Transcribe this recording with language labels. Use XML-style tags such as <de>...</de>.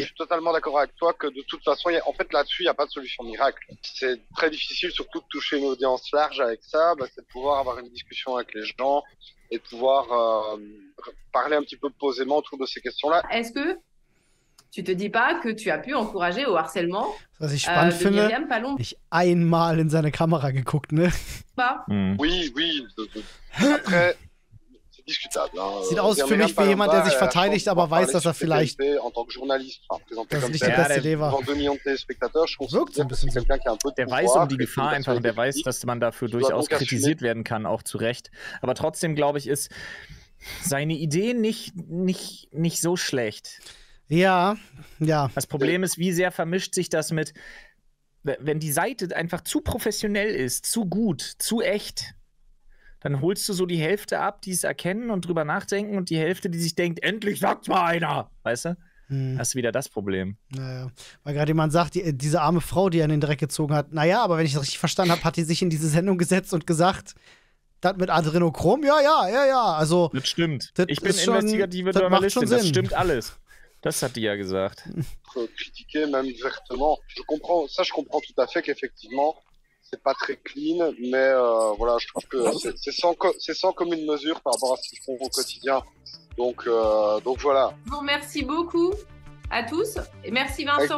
<fr>Je suis totalement d'accord avec toi que de toute façon, en fait, là-dessus, il n'y a pas de solution miracle. C'est très difficile, surtout de toucher une audience large avec ça, c'est de pouvoir avoir une discussion avec les gens et de pouvoir parler un petit peu posément autour de ces questions-là. Est-ce que tu te dis pas que tu as pu encourager au harcèlement?</fr> <de>Was ich spannend finde, nicht einmal in seine Kamera geguckt, ne?</de> <fr>Oui, oui. Après, c'est discutable.</fr> <de>Sieht aus für mich wie jemand, der sich verteidigt, aber weiß, dass er vielleicht. Das ist nicht die beste Idee, war. Wirkt so ein bisschen so. Der weiß um die Gefahr einfach und der weiß, dass man dafür durchaus kritisiert werden kann, auch zu Recht. Aber trotzdem, glaube ich, ist seine Idee nicht so schlecht. Ja, ja. Das Problem ist, wie sehr vermischt sich das mit, wenn die Seite einfach zu professionell ist, zu gut, zu echt, dann holst du so die Hälfte ab, die es erkennen und drüber nachdenken und die Hälfte, die sich denkt, endlich sagt mal einer, weißt du? Hm. Hast du wieder das Problem. Naja, weil gerade jemand sagt, diese arme Frau, die an den Dreck gezogen hat, naja, aber wenn ich das richtig verstanden habe, hat die sich in diese Sendung gesetzt und gesagt, das mit Adrenochrom, ja, also. Das stimmt, ich bin investigative Journalistin, das stimmt alles. Das hat die ja gesagt.</de> <fr>Kritiquer même vertement. Je comprends, ça je comprends tout à fait qu'effectivement, c'est pas très clean, mais voilà, je trouve que c'est sans commune mesure par rapport à ce qu'ils font au quotidien. Donc voilà. Je vous remercie beaucoup à tous et merci Vincent.</fr>